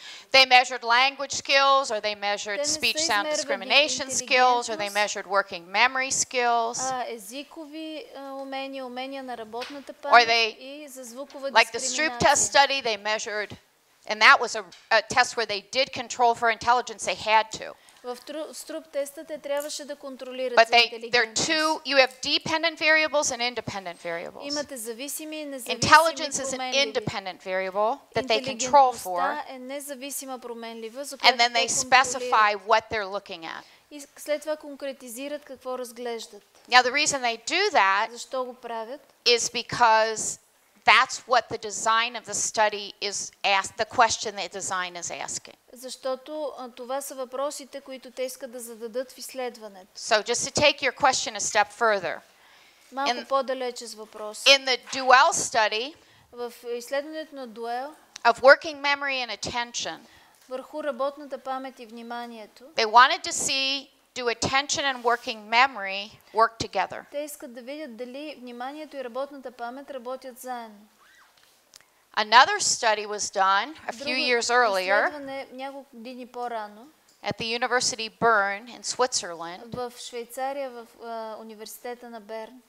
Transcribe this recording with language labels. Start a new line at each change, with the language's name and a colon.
English: They measured language skills, or they measured speech sound discrimination skills, or they measured working memory skills.
Bulgarian: Езикови умения, умения на работната памет и за звукова дискриминация.
English: Like the Stroop test study, they measured, and that was a test where they did control for intelligence. They had to.
Bulgarian: В Stroop теста те трябваше да контролират за интелигентност.
English: You have dependent variables and independent variables.
Bulgarian: Имате зависими и независими.
English: Intelligence is an independent variable that they control for.
Bulgarian: Интелигентността е независима променлива, за която.
English: And then they specify what they're looking at.
Bulgarian: И след това конкретизират какво разглеждат.
English: Now the reason they do that,
Bulgarian: защо го правят?
English: Is because that's what the design of the study is asked, the question the design is asking.
Bulgarian: Защото това са въпросите, които те искат да зададат в изследването.
English: So just to take your question a step further.
Bulgarian: Малко по-далече с въпроса.
English: In the dual study,
Bulgarian: в изследването на дуел,
English: of working memory and attention,
Bulgarian: върху работната памет и вниманието,
English: they wanted to see do attention and working memory work together.
Bulgarian: Те искат да видят дали вниманието и работната памет работят заедно.
English: Another study was done a few years earlier.
Bulgarian: Изследване няколко години по-рано.
English: At the University of Bern in Switzerland.
Bulgarian: В Швейцария в университета на Берн.